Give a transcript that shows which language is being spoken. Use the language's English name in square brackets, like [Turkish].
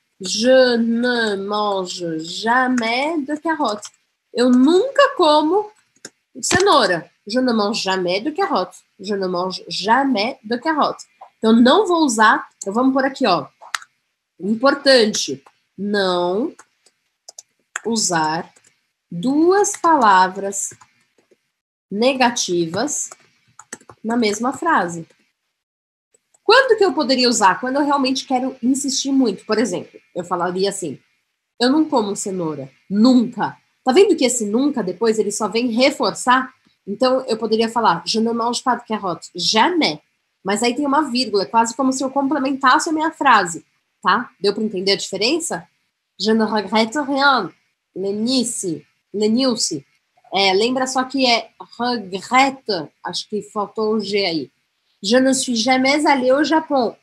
[French] Je ne mange jamais de carottes. [Portuguese] Eu nunca como cenoura. [French] Je ne mange jamais de carottes. Je ne mange jamais de carottes. [Portuguese] Então, não vou usar. Então, vamos por aqui, ó. Importante. Não usar duas palavras negativas na mesma frase. Quando que eu poderia usar? Quando eu realmente quero insistir muito. Por exemplo, eu falaria assim. Eu não como cenoura. Nunca. Tá vendo que esse nunca, depois, ele só vem reforçar? Então, eu poderia falar, [French] je ne mange pas de carottes. Jamais. [Portuguese] Mas aí tem uma vírgula, quase como se eu complementasse a minha frase. Tá? Deu para entender a diferença? [French] Je ne regrette rien. [Portuguese] Lenilce. É, lembra só que é regrette. Acho que faltou o G aí. [French] Je ne suis jamais allé au Japon.